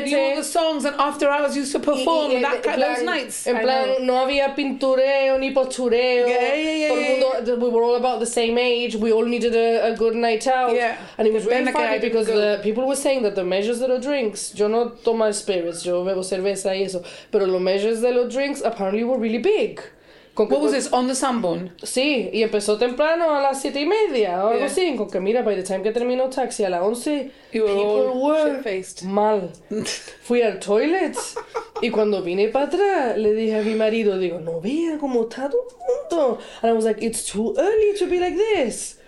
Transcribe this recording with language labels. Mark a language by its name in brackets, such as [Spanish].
[English] and you knew all the songs and after hours used to perform y that kind, plan, those nights. [Spanish] En plan, no había pintureo ni postureo. [English] Yeah. We were all about the same age. We all needed a good night out. Yeah. And it was really funny because the people were saying that the measures of the drinks... [Spanish] Yo no tomo spirits, yo bebo cerveza y eso. [English] Pero los measures de los drinks apparently were really big. What was this, on the Sanborn? [Spanish] Sí, y empezó temprano a las 7:30 o algo así. Con que mira, [English] by the time [Spanish] que terminó taxi a las 11, [English] people were [Spanish] mal. Fui al toilet y cuando vine para atrás le dije a mi marido, digo, no vea cómo está todo el mundo. [English] And I was like, it's too early to be like this.